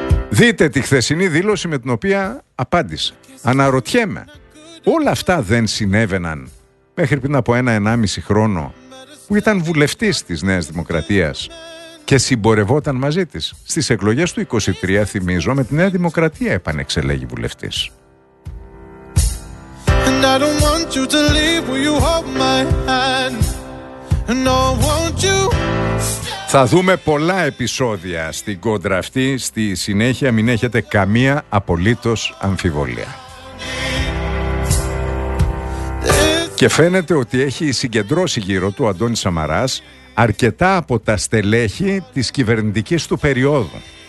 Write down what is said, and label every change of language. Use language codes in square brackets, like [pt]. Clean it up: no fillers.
[el] Δείτε τη χθεσινή δήλωση με την οποία απάντησε. Αναρωτιέμαι, όλα αυτά δεν συνέβαιναν μέχρι πριν από 1,5 χρόνο που ήταν βουλευτής της Νέας Δημοκρατίας και συμπορευόταν μαζί της. Στις εκλογές του 23, θυμίζω, με τη Νέα Δημοκρατία επανεξελέγει βουλευτής. [en] And I don't want you to leave, will you hold my hand? No, won't you? [el] Θα δούμε πολλά επεισόδια στην κόντρα αυτή. Στη συνέχεια μην έχετε καμία απολύτως αμφιβολία. Και φαίνεται ότι έχει συγκεντρώσει γύρω του Αντώνη Σαμαράς αρκετά από τα στελέχη της κυβερνητικής του περίοδου.